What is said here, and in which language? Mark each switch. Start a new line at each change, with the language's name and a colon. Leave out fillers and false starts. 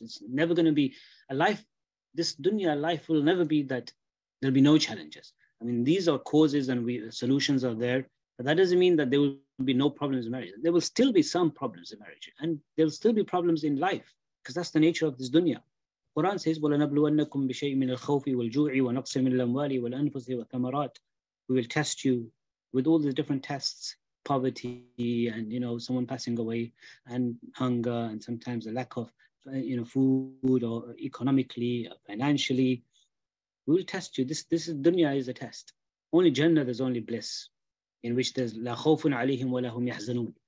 English: It's never going to be a life, this dunya life will never be that. There'll be no challenges. I mean, these are causes and solutions are there, but that doesn't mean that there will be no problems in marriage. There will still be some problems in marriage, and there'll still be problems in life, because that's the nature of this dunya. Quran says,
Arabic: وَلَنَبْلُوَنَّكُمْ بِشَيْءٍ مِنَ الْخَوْفِ وَالْجُوعِ وَنَقْصٍ مِنَ الْأَمْوَالِ وَالْأَنفُسِ وَالثَّمَرَاتِ.
English: We will test you with all the different tests, poverty and, you know, someone passing away and hunger and sometimes a lack of, you know, food or economically, or financially. We will test you. This is dunya is a test. Only Jannah, there's only bliss, in which there's
Arabic: la khawfun alayhim wa lahum yahzanun.